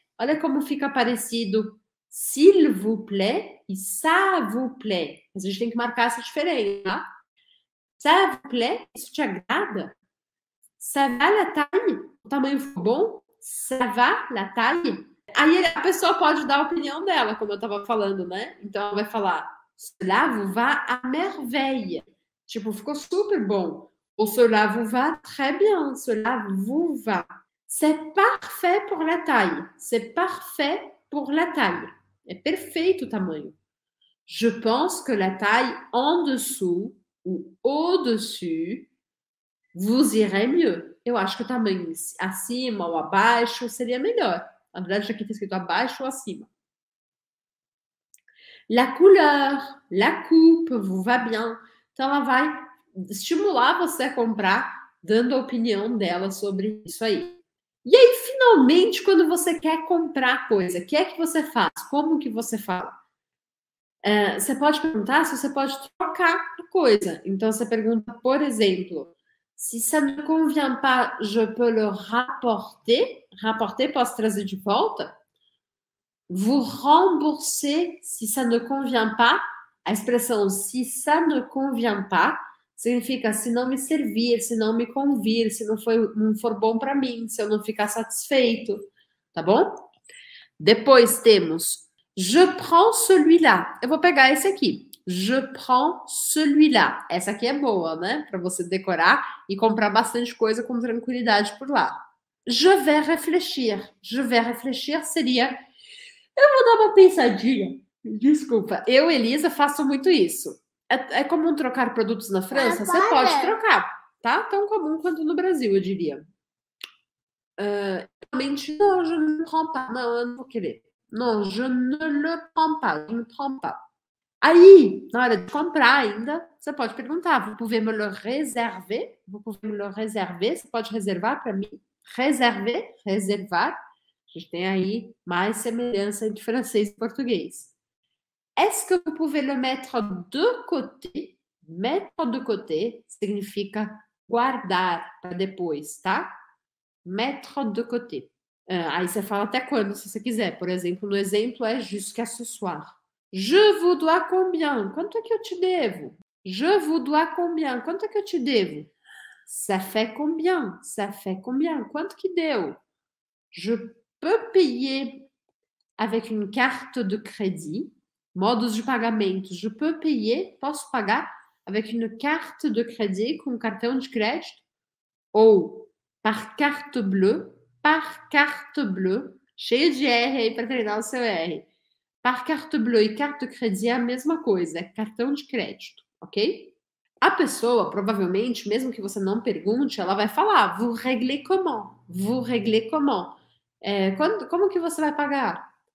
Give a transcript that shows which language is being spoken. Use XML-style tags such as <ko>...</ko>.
<pt>Olha como fica parecido</pt> <fr>s'il vous plaît e ça vous plaît.</fr> <pt>Mas a gente tem que marcar essa diferença, tá?</pt> <fr>Ça vous plaît?</fr> <pt>Isso te agrada?</pt> <fr>Ça va la taille?</fr> <pt>O tamanho ficou bom?</pt> <fr>Ça va la taille?</fr> <pt>Aí a pessoa pode dar a opinião dela, como eu tava falando, né? Então ela vai falar:</pt> <fr>cela vous va à merveille.</fr> <pt>Tipo, ficou super bom.</pt> <fr>Ou cela vous va très bien. Cela vous va. C'est parfait pour la taille. C'est parfait pour la taille.</fr> <pt>É perfeito o tamanho.</pt> <fr>Je pense que la taille en dessous ou au-dessus vous irait mieux.</fr> <pt>Eu acho que o tamanho acima ou abaixo seria melhor. Na verdade, aqui está escrito abaixo ou acima.</pt> <fr>La couleur, la coupe vous va bien.</fr> <pt>Então, ela vai estimular você a comprar, dando a opinião dela sobre isso aí. E aí, finalmente, quando você quer comprar coisa, o que é que você faz? Como que você fala? Você pode perguntar se você pode trocar coisa. Então, você pergunta, por exemplo,</pt> <fr>Si ça ne convient pas, je peux le rapporter. Rapporter passe très du porte. Vous rembourser si ça ne convient pas.</fr> <pt>A expressão</pt> <fr>si ça ne convient pas</fr> <pt>significa se não me servir, se não me convir, se não, não for bom para mim, se eu não ficar satisfeito. Tá bom? Depois temos</pt> <fr>je prends celui-là.</fr> <pt>Eu vou pegar esse aqui.</pt> <fr>Je prends celui-là.</fr> <pt>Essa aqui é boa, né? Para você decorar e comprar bastante coisa com tranquilidade por lá.</pt> <fr>Je vais refléchir. Je vais refléchir</fr> <pt>seria... Eu vou dar uma pensadinha. Desculpa. Eu, Elisa, faço muito isso. É comum trocar produtos na França? Você pode trocar. Tá? Tão comum quanto no Brasil, eu diria. Realmente, não,</pt> <fr>je ne prends pas.</fr> <pt>Não, eu não vou querer. Não,</pt> <fr>je ne le prends pas. Je ne prends pas.</fr> <pt>Aí, na hora de comprar ainda, você pode perguntar.</pt> <fr>Vous pouvez me le réserver? Vous pouvez me le réserver?</fr> <pt>Você pode reservar para mim?</pt> <fr>Réserver,</fr> <pt>reservar. A gente tem aí mais semelhança entre francês e português.</pt> <fr>Est-ce que vous pouvez le mettre de côté? Mettre de côté</fr> <pt>significa guardar para depois, tá?</pt> <fr>Mettre de côté.</fr> <pt>Aí você fala até quando, se você quiser. Por exemplo, no exemplo é</pt> <fr>jusqu'à ce soir. Je vous dois combien?</fr> <pt>Quanto é que eu te devo?</pt> <fr>Je vous dois combien?</fr> <pt>Quanto é que eu te devo?</pt> <fr>Ça fait combien? Ça fait combien?</fr> <pt>Quanto que deu?</pt> <fr>Je peux payer avec une carte de crédit.</fr> <pt>Modos de pagamento.</pt> <fr>Je peux payer,</fr> <pt>posso pagar</pt> <fr>avec une carte de crédit,</fr> <pt>com um cartão de crédito.</pt> <fr>Ou par carte bleue. Par carte bleue.</fr> <pt>Cheio de R aí para treinar o seu R.</pt> <fr>Par carte bleue</fr> <pt>e</pt> <fr>carte de crédit</fr> <pt>é a mesma coisa, é cartão de crédito, ok? A pessoa, provavelmente, mesmo que você não pergunte, ela vai falar,</pt> <fr>vous réglez comment? Vous réglez comment?</fr> <pt>É, quando, como que você vai pagar?</pt>